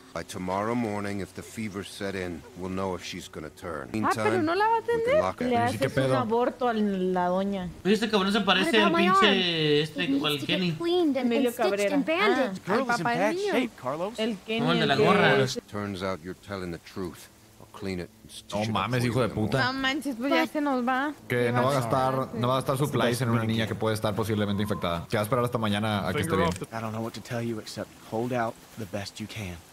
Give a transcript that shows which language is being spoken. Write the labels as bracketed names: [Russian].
[English] By tomorrow morning, if the fever set in, we'll know if she's gonna turn. Meantime, [Spanish] pero no la va a atender. Le haces un aborto a la doña. Este cabrón se parece al pinche este, el Kenny. Emilio Cabrera. [English] Girl is in bad shape, Carlos. [Spanish] El Kenny. El de la gorra. [English] Turns out you're telling the truth. I'll clean it. [Spanish] No mames, hijo de puta. No manches, pues ya se nos va. Que no va a gastar, no va a gastar supplies en una niña que puede estar posiblemente infectada. Que va a esperar hasta mañana a que esté bien. [English] I don't know what to tell you except hold out the best you can.